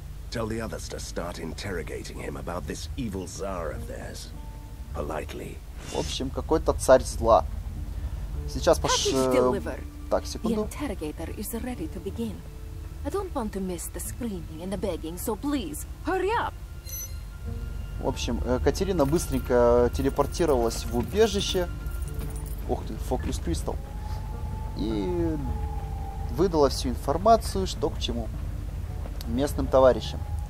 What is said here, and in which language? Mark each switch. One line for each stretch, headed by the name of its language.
English: Tell the others to start interrogating him about this evil czar of theirs. Politely.
Russian: В общем, какой-то царь зла. Сейчас пошел. Так, секунду.
English: The interrogator is ready to begin. I don't want to miss the screaming and the begging, so please, hurry up.
Russian: В общем, Катерина быстренько телепортировалась в убежище. Ух ты, Focus Crystal. И выдала всю информацию, что к чему. Местным товарищам.